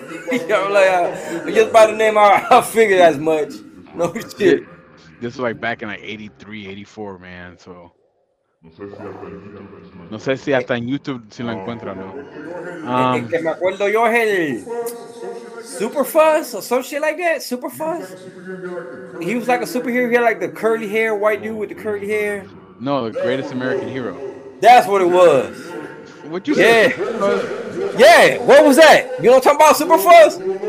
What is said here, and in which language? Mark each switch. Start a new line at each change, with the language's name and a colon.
English: I'm like, just by the name, I figured as much. No shit. This was like back in like 83, 84, man. So.
Spanish: No sé si hasta en YouTube si lo encuentra, no. Que me acuerdo yo el Superfuzz
English: or some shit like that. Superfuzz. He was like a superhero. He had like the curly hair, white dude with the curly hair. No, the greatest American hero. That's what it was. What'd you say? Yeah. Yeah, what was that? You know talking about Superfuzz?